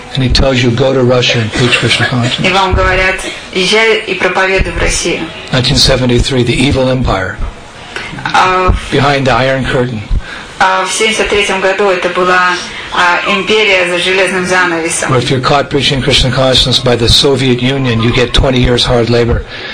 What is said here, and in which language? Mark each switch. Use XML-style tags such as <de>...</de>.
<en>And he tells you, go to Russia and preach Krishna consciousness.</en> <ru>И вам говорят, езжай и проповедуй в Россию.</ru> <en>1973, the evil empire. Behind the Iron Curtain.</en> <ru>В 73-м году это была империя за железным занавесом.</ru> <en>Where if you're caught preaching Krishna consciousness by the Soviet Union, you get 20 years hard labor.</en>